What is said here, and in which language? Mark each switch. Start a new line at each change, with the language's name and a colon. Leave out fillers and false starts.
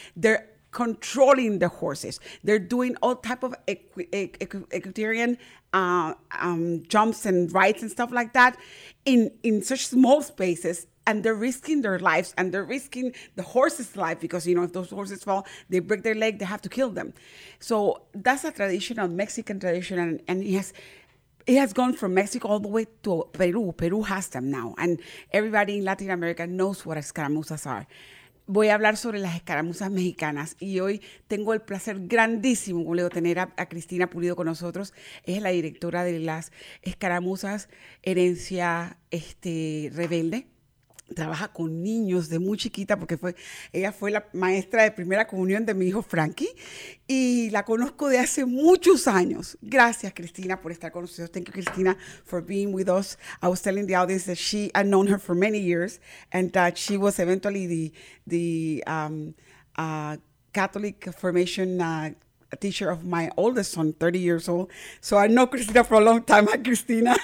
English: They're controlling the horses. They're doing all type of equestrian jumps and rides and stuff like that in such small spaces, and they're risking their lives, and they're risking the horse's life because, you know, if those horses fall, they break their leg, they have to kill them. So that's a traditional Mexican tradition, and it has gone from Mexico all the way to Peru. Peru has them now, and everybody in Latin America knows what escaramuzas are.
Spanish: Voy a hablar sobre las escaramuzas mexicanas y hoy tengo el placer grandísimo de tener a Cristina Pulido con nosotros. Ella es la directora de las escaramuzas Herencia Rebelde. Trabaja con niños de muy chiquita porque ella fue la maestra de primera comunión de mi hijo Frankie y la conozco de hace muchos años. Gracias, Cristina, por estar con nosotros.
English: Thank you, Cristina, for being with us. I was telling the audience that she had known her for many years and that she was eventually the Catholic formation a teacher of my oldest son, 30 years old. So I know Cristina for a long time. Hi, Cristina.